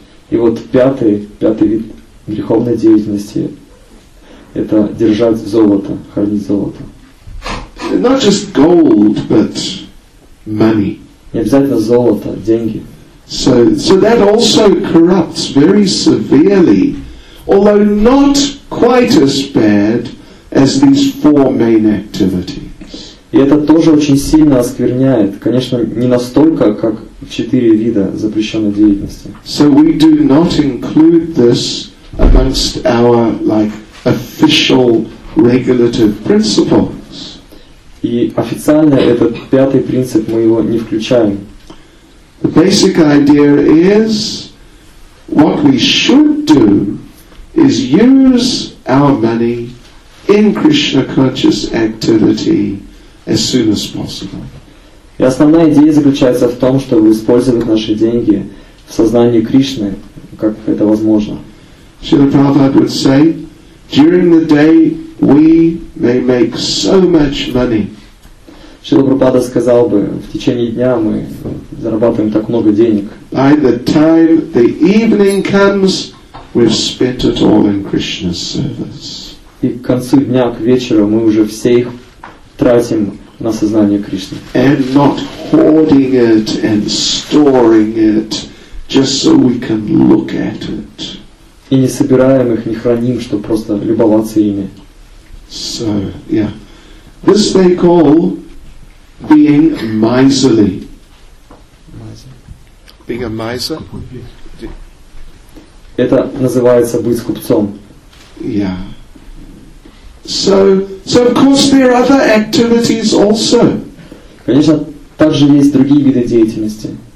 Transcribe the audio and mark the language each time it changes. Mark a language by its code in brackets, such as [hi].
[ru] И вот пятый вид греховной деятельности — это держать золото, хранить золото. [en] Not just gold, but money. [ru] Не обязательно золото, деньги. [en] So that also corrupts very severely, although not quite as bad as these four main activities. [ru] И это тоже очень сильно оскверняет, конечно, не настолько, как четыре вида запрещенной деятельности. [en] So we do not include this amongst our like official regulative principles. [ru] И официально этот пятый принцип мы его не включаем. [en] The basic idea is what we should do is use our money in Krishna conscious activity as soon as possible. [ru] И основная идея заключается в том, чтобы использовать наши деньги в сознании Кришны, как это возможно. [en] Srila Prabhupada would say, during the day we may make so much money. [ru] Шрила Прабхупада сказал бы, в течение дня мы зарабатываем так много денег. [en] By the time the evening comes, we've spent it all in Krishna's service. [ru] И к концу дня, к вечеру, мы уже все их тратим на сознание Кришны. [en] And not hoarding it and storing it, just so we can look at it. [ru] И не собираем их, не храним, чтобы просто любоваться ими. [en] So, yeah. This they call being miserly. Being a miser? [ru] Это называется быть скупцом. [en] Yeah. So of course there are other activities also. [ru] Конечно, также есть другие виды деятельности.